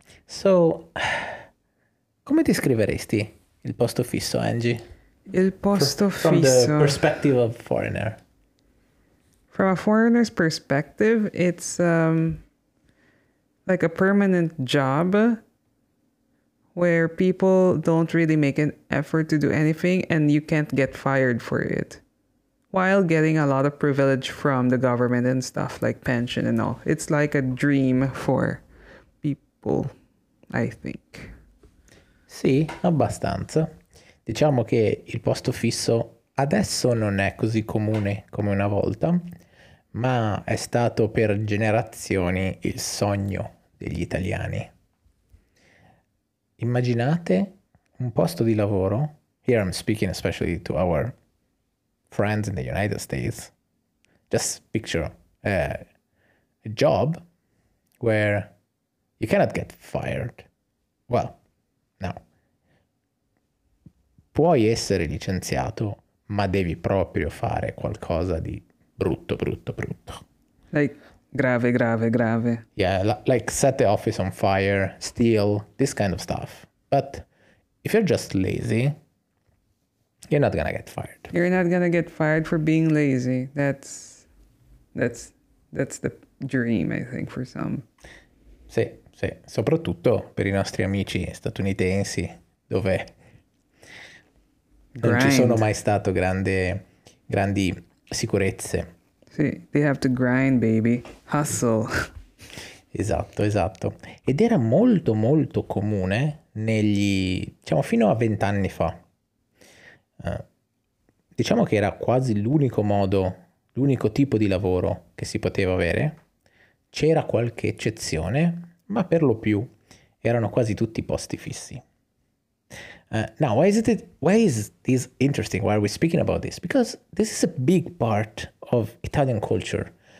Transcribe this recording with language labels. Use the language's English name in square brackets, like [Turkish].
[Italian] So, come ti scriveresti il posto fisso, Angie? Il posto fisso. [English] From the perspective of a foreigner. From a foreigner's perspective, it's like a permanent job where people don't really make an effort to do anything and you can't get fired for it while getting a lot of privilege from the government and stuff like pension and all. It's like a dream for people, I think. [Italian] Sì, abbastanza. Diciamo che il posto fisso adesso non è così comune come una volta, ma è stato per generazioni il sogno degli italiani. Immaginate un posto di lavoro, [English] here I'm speaking especially to our friends in the United States, just picture a job where you cannot get fired. Well, no. [Italian] Puoi essere licenziato, ma devi proprio fare qualcosa di brutto, brutto, brutto. [English] Like, grave, grave, grave. Yeah, like set the office on fire, steal, this kind of stuff. But if you're just lazy, you're not gonna get fired. You're not gonna get fired for being lazy. That's the dream, I think, for some. [Italian] Sì, sì. Soprattutto per i nostri amici statunitensi, dove non ci sono mai stato grandi sicurezze. [English] See, they have to grind, baby. Hustle. [Italian] Esatto. Ed era molto molto comune diciamo, fino a 20 anni fa. Diciamo che era quasi l'unico modo, l'unico tipo di lavoro che si poteva avere. C'era qualche eccezione, ma per lo più erano quasi tutti posti fissi. [English] Now, why is this interesting? Why are we speaking about this? Because this is a big part of Italian culture.